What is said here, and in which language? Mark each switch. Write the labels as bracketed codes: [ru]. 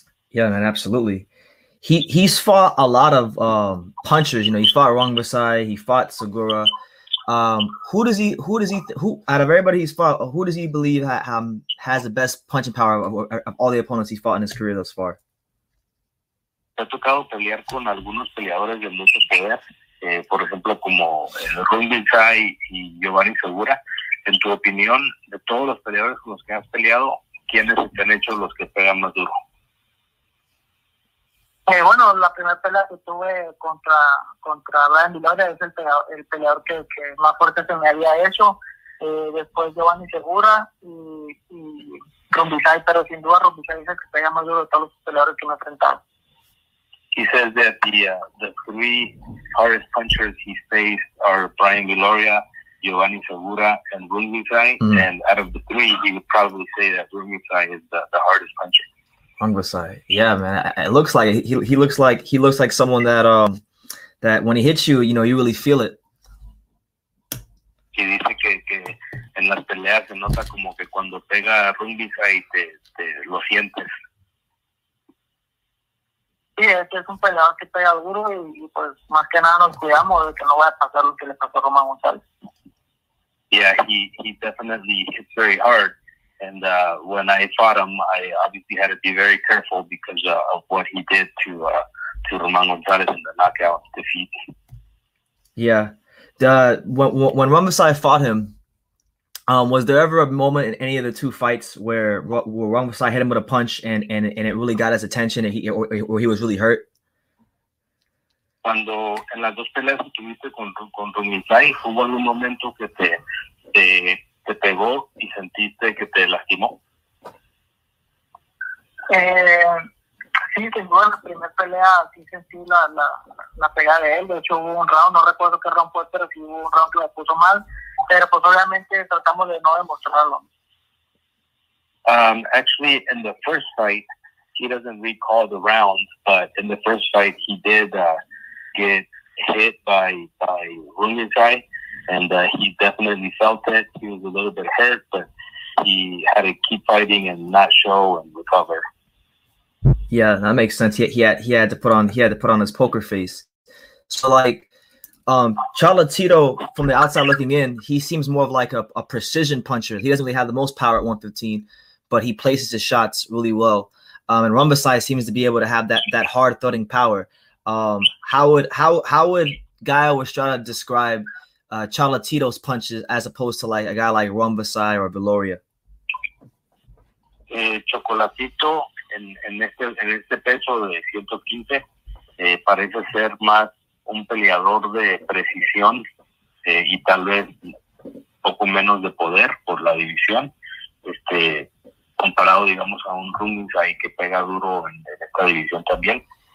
[en] Yeah, man, absolutely. He's fought a lot of punchers. You know, he fought Ruang Besai, he fought Segura. Out of everybody he's fought, who does he believe has the best punching power of all the opponents he's fought in his career thus far? [es] Ha tocado pelear con algunos peleadores de mucho poder, por ejemplo, como Ruang Besai y Giovanni Segura. En tu opinión, de todos los peleadores con los que has peleado, ¿quiénes te han hecho los que pegan más duro? Bueno, la primera pelea que tuve contra Ryan Villoria es el peleador que más fuerte se me había hecho. Después Giovanni Segura y Rumbisai, pero sin duda Rumbisai es el que pega más duro de todos los peleadores que me he enfrentado. [en] He says that the three hardest punchers he faced are Brian Villoria, Giovanni Segura, and Rungvisai, and out of the three, he would probably say that Rungvisai is the hardest puncher. Rungvisai, yeah, man. It looks like he looks like someone that that when he hits you, you know, you really feel it. [es] Y dice que en las peleas se nota como que cuando pega Rungvisai te lo sientes. Sí, es un peleador que pega duro, y pues más que nada nos cuidamos de que no vaya a pasar lo que le pasó a Román González. [en] Yeah, he definitely hits very hard, and when I fought him, I obviously had to be very careful because of what he did to Román González in the knockout defeat. Yeah, when Ruang Besai fought him, was there ever a moment in any of the two fights where Ruang Besai hit him with a punch and it really got his attention and he was really hurt? [es] Cuando en las dos peleas que tuviste con Ruang Besai, ¿hubo algún momento que te pegó y sentiste que te lastimó? Sí, sin duda, en la primera pelea sí sentí la pegada de él. De hecho, hubo un round, no recuerdo qué round fue, pero sí hubo un round que me puso mal. Pero pues obviamente tratamos de no demostrarlo. [en] Actually, in the first fight, he doesn't recall the round, but in the first fight, he did get hit by Ruang Besai, and he definitely felt it. He was a little bit hurt, but he had to keep fighting and not show and recover. Yeah, that makes sense. He had to put on his poker face. So like, Charlatito, from the outside looking in, he seems more of like a precision puncher. He doesn't really have the most power at 115, but he places his shots really well. And Ruang Besai seems to be able to have that hard thudding power. How would Gael Estrada describe Charlatito's punches as opposed to like a guy like Ruang Besai or Viloria? [es] Chocolatito en este peso de 115 parece ser más un peleador de precisión y tal vez poco menos de poder por la división, comparado digamos a un Ruang Besai que pega duro en esta división también.